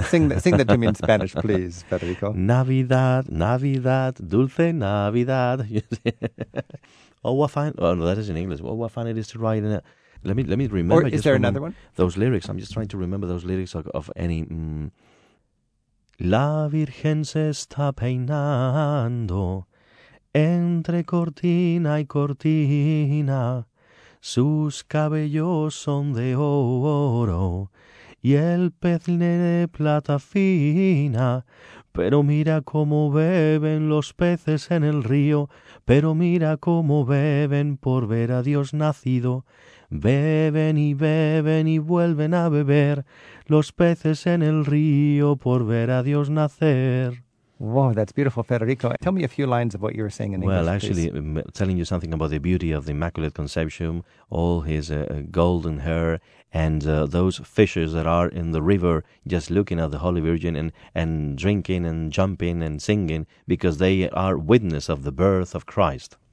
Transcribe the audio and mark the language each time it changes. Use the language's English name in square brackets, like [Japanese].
[English] Sing that to me in Spanish, please, Federico. [Spanish] Navidad, dulce Navidad. [English] That is in English. Oh, what fun it is to write in it. Let me remember. Or is there another one? Those lyrics. I'm just trying to remember those lyrics of any. [Spanish] La Virgen se está peinando entre cortina y cortina. Sus cabellos son de oro y el pez de plata fina. Pero mira cómo beben los peces en el río. Pero mira cómo beben por ver a Dios nacido. Beben y beben y vuelven a beber los peces en el río por ver a Dios nacer. [English] Wow, that's beautiful, Federico. Tell me a few lines of what you were saying in English, please. Well, actually, telling you something about the beauty of the Immaculate Conception, all his golden hair, and those fishes that are in the river just looking at the Holy Virgin and drinking and jumping and singing because they are witness of the birth of Christ.